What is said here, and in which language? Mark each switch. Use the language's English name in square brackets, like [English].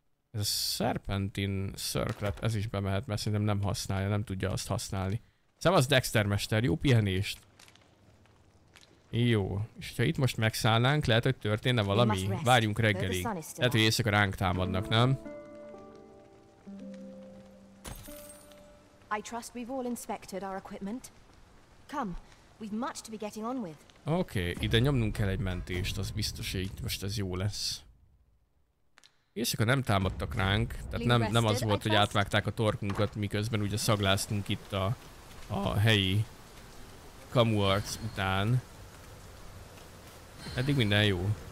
[Hungarian] Ez a Serpentine Circlet, ez is bemehet, mert szerintem nem használja, nem tudja azt használni. Szevasz Dexter mester, jó pihenést! Jó, és ha itt most megszállnánk, lehet, hogy történne valami. Várjunk reggelig. Lehet, hogy éjszaka ránk támadnak, nem? [English] I trust we've all inspected our equipment. Come. We've much to be getting on with. [Hungarian] Okay, ide nyomnunk kell egy mentést, az biztos, hogy most ez jó lesz. És akkor nem támadtak ránk, tehát nem az volt, hogy átvágták a torkunkat, miközben ugye szagláztunk itt a helyi kamuarc után. Eddig minden jó.